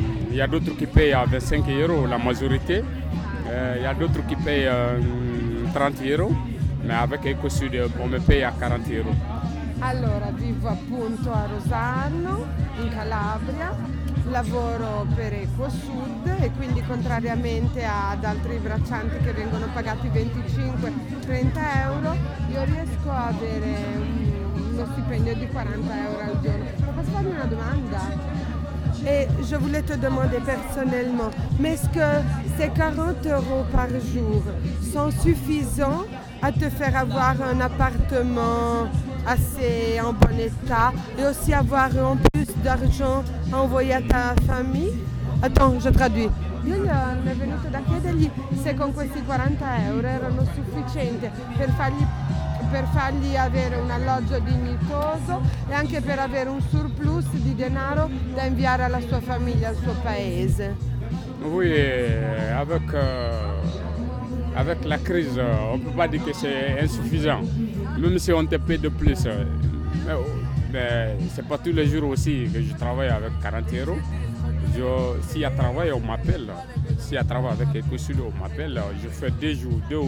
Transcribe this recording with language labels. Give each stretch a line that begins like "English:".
French: Il y a d'autres qui payent à 25 euros, la majorité. Il y a d'autres qui payent 30 euros. Mais avec EcoSud, on me paye à 40 euros.
Italian: Allora, vivo appunto a Rosarno, in Calabria, lavoro per EcoSud e quindi contrariamente ad altri braccianti che vengono pagati 25-30 euro, io riesco a avere uno stipendio di 40 euro al giorno. Ma posso farmi una domanda?
French: E je voulais te demander personnellement, mais est-ce que ces 40 euros par jour sont suffisants à te faire avoir un appartement assez en bon état et aussi avoir en plus d'argent envoyé à ta famille? Attends, je traduis.
Italian: Io gli ho venuto da chiedergli se con questi 40 euro erano sufficienti per fargli avere un alloggio dignitoso e anche per avere un surplus di denaro da inviare alla sua famiglia, al suo paese.
French: Oui, avec la crise, on ne peut pas dire que c'est insuffisant. Même si on te paye de plus, mais c'est pas tous les jours aussi que je travaille avec 40 euros. S'il y a travail, on m'appelle. S'il y a travail avec EcoSud, on m'appelle. Je fais 2 jours, 2 ou